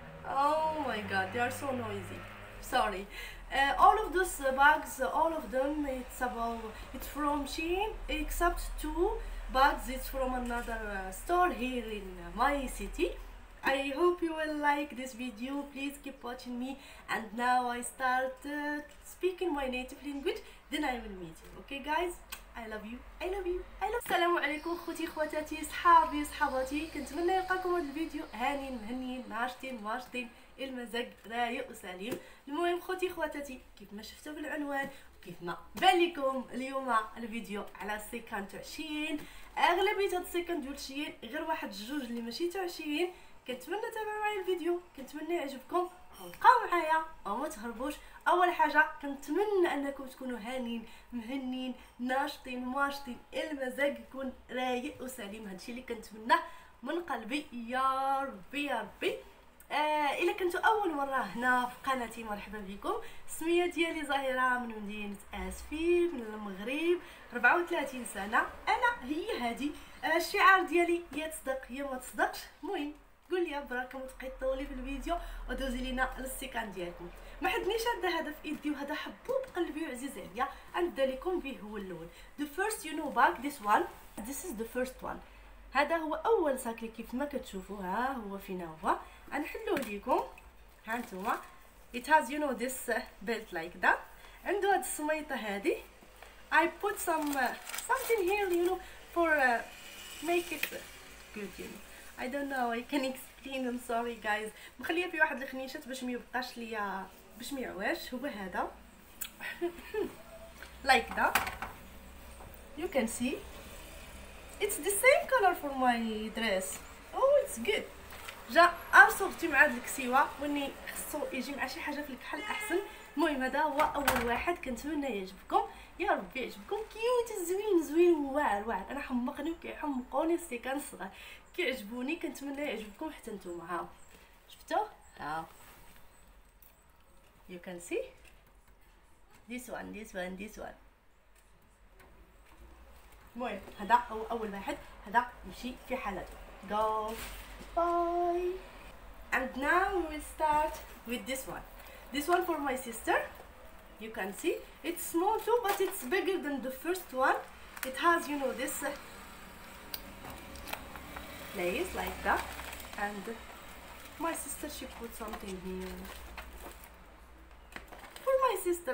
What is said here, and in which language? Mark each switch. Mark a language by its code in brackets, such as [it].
[en] Oh my god, they are so noisy, sorry. All of those bugs, all of them, it's from SHEIN, except two bugs, it's from another store here in my city. I hope you will like this video, please keep watching me. And now I start speaking my native language, then I will meet you, okay guys? I love you, I love you, I love you. [ar] السلام عليكم خوتي خواتاتي صحابي صحباتي، كنتمنى يلقاكم هذا الفيديو هانين مهنيين ناشطين واجدين المزاج رايق وسليم. المهم خوتي خواتاتي كيف ما شفتوا بالعنوان وكيف ما بان لكم، اليوم الفيديو على السيكان تاع شيين. اغلبية السيكان ديال شيين غير واحد جوج اللي ماشي تاع شيين. كنتمنى تتابعوا معايا الفيديو، كنتمنى يعجبكم وتبقاو معايا وما تهربوش. اول حاجه كنتمنى انكم تكونوا هانين مهنين ناشطين ماشطين، المزاج يكون رايق وسليم، هادشي اللي كنتمنى من قلبي يا ربي يا ربي. الا كنتوا اول مره هنا في قناتي مرحبا بكم. السميه ديالي زهيره من مدينه اسفي من المغرب، 34 سنه انا. هي هادي الشعار ديالي، يا تصدق يا ما تصدقش. المهم قول لي براك ما تبقاي طولي في الفيديو ودوزي لينا للسيكان ديالكم. ما حدنيش هذا هدف ايدي وهذا حبوب قلبي وعزيز عليا عندي لكم فيه هو الاول. [en] The first you know bug, this one, this is the first one. [ar] هذا هو اول ساكلي كيف ما كتشوفوا، ها هو فينا هو. غنحلو لكم ها انتما. [en] It has you know this belt like that. [ar] عنده هاد السميطه هادي. [en] I put some something here you know for make it good you know. I don't know, I can explain, I'm sorry guys. [ar] مخليها في واحد الخنيشات باش ميبقاش ليا باش ميعواش. هو هذا [en] like that you can see it's the same color for my dress. Oh it's good. [ar] جا أصوبتي مع هاد الكسيوة واني خصو يجي مع شي حاجة في الكحل أحسن. المهم هذا هو أول واحد، كنتمنى يعجبكم يا ربي يعجبكم. كيوت زوين زوين واعر واعر، أنا حمقني وكيحمقوني السيكان الصغار، كيعجبوني كنتمنى يعجبكم حتى نتوما. ها شفتو؟ ها [en] you can see this one this one this one. [ar] المهم هذا هو أول واحد، هذا يمشي في حالته. [en] Go bye. And now we will start with this one. This one for my sister. You can see it's small too, but it's bigger than the first one. It has you know this place like that. And my sister, she put something here for my sister.